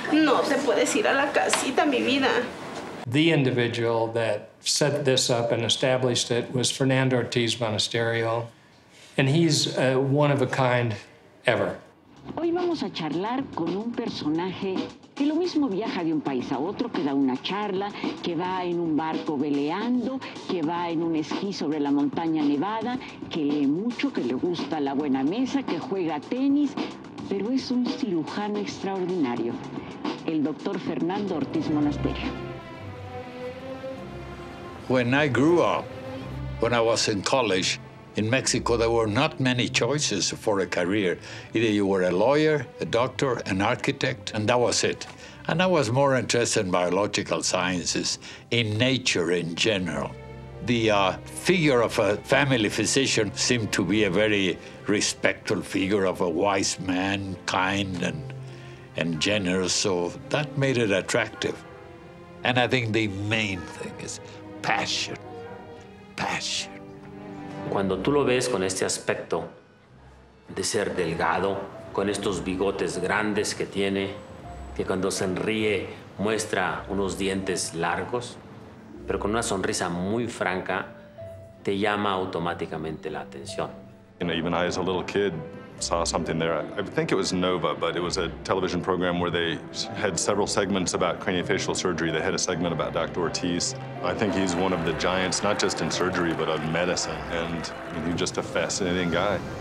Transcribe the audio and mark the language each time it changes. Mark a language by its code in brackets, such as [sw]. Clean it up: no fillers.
[es] No, te puedes ir a la casita, mi vida. [en] The individual that set this up and established it was Fernando Ortiz Monasterio, and he's one of a kind ever. [es] Hoy vamos a charlar con un personaje que lo mismo viaja de un país a otro, que da una charla, que va en un barco veleando, que va en un esquí sobre la montaña nevada, que lee mucho, que le gusta la buena mesa, que juega tenis, pero es un cirujano extraordinario, el doctor Fernando Ortiz Monasterio. [en] When I grew up, when I was in college in Mexico, there were not many choices for a career. Either you were a lawyer, a doctor, an architect, and that was it. And I was more interested in biological sciences, in nature in general. The figure of a family physician seemed to be a very respectful figure of a wise man, kind and generous, so that made it attractive. And I think the main thing is, Passion. Passion. [es] Cuando tú lo ves con este aspecto de ser delgado, con estos bigotes grandes que tiene, que cuando sonríe muestra unos dientes largos, pero con una sonrisa muy franca, te llama automáticamente la atención. [en] You know, even I as a little kid saw something there. I think it was Nova, but it was a television program where they had several segments about craniofacial surgery. They had a segment about Dr. Ortiz. I think he's one of the giants, not just in surgery, but in medicine. And I mean, he's just a fascinating guy.